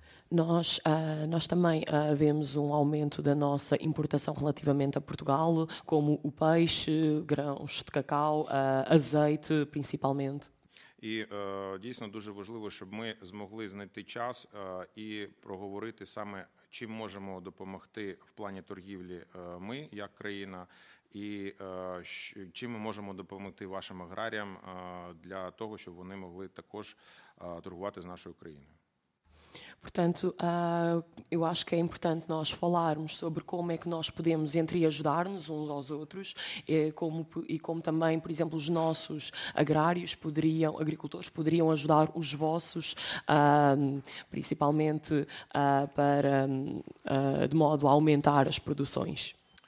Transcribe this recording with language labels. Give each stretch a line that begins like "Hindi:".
Portuguese: Nós, nós também vemos um aumento da nossa importação relativamente a Portugal, como o peixe, grãos de cacau, azeite, principalmente.
Ukrainian: І дійсно дуже важливо, щоб ми змогли знайти час і проговорити саме, чим можемо допомогти в плані торгівлі ми, як країна, і чим ми можемо допомогти вашим аграріям для того, щоб вони могли також торгувати з нашою країною.
Portuguese: Portanto, eu acho que é importante nós falarmos sobre como é que nós podemos entreajudar-nos uns aos outros e como também, por exemplo, os nossos agrários poderiam, agricultores poderiam ajudar os vossos, principalmente para, de modo a aumentar as produções.